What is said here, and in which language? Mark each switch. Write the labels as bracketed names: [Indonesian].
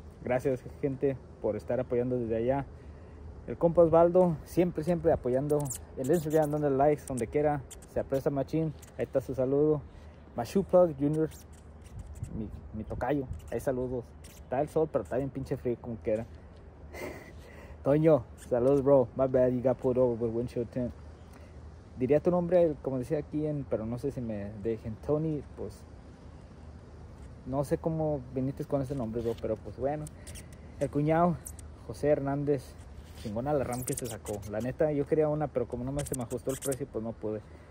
[Spanish] Gracias, gente, por estar apoyando desde allá. El compa Osvaldo, siempre apoyando. El Instagram, dando likes, donde quiera. Se aprecia machín. Ahí está su saludo. Machu Plug Jr., mi tocayo. Ahí saludos. Está el sol, pero está bien pinche frío como quiera. Toño, saludos, bro. [English] My bad, you got pulled over with windshield tint. [Spanish] Diría tu nombre, como decía aquí, pero no sé si me dejen. Tony, pues no sé cómo viniste con ese nombre, bro, pero pues bueno. El cuñado, José Hernández, chingona la RAM que se sacó. La neta, yo quería una, pero como no se me ajustó el precio, pues no pude.